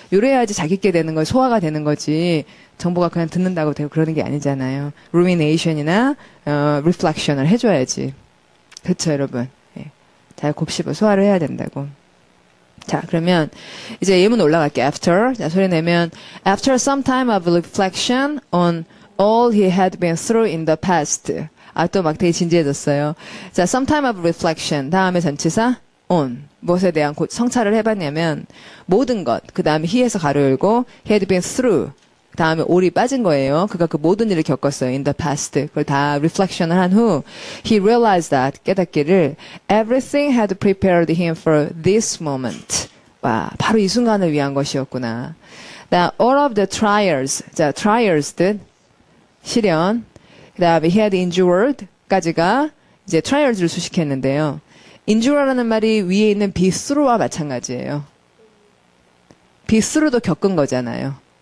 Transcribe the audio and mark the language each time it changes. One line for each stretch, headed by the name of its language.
Korean: 요래야지 자기 게 되는 거, 소화가 되는 거지. 정보가 그냥 듣는다고 되고 그러는 게 아니잖아요. rumination이나 reflection을 해줘야지. 그렇죠, 여러분? 예. 잘 곱씹어 소화를 해야 된다고. 자, 그러면 이제 예문 올라갈게.
English: After.
Korean: 자, 소리 내면
English: After some time of reflection on all he had been through in the past.
Korean: 아, 또막 되게 진지해졌어요. 자, some time of reflection. 다음에 전치사 on. 무엇에 대한 성찰을 해봤냐면 모든 것. 그 다음에 he에서 가로 열고 he had been through. 다음에 올이 빠진 거예요. 그가 그 모든 일을 겪었어요.
English: In the past.
Korean: 그걸 다 reflection을 한 후,
English: he realized that,
Korean: 깨닫기를,
English: everything had prepared him for this moment.
Korean: 와, 바로 이 순간을 위한 것이었구나.
English: Now, all of the trials.
Korean: 자, trials든, 시련. 그 다음에 he had endured 까지가 이제 trials를 수식했는데요. endure라는 말이 위에 있는 be through와 마찬가지예요. be through도 겪은 거잖아요.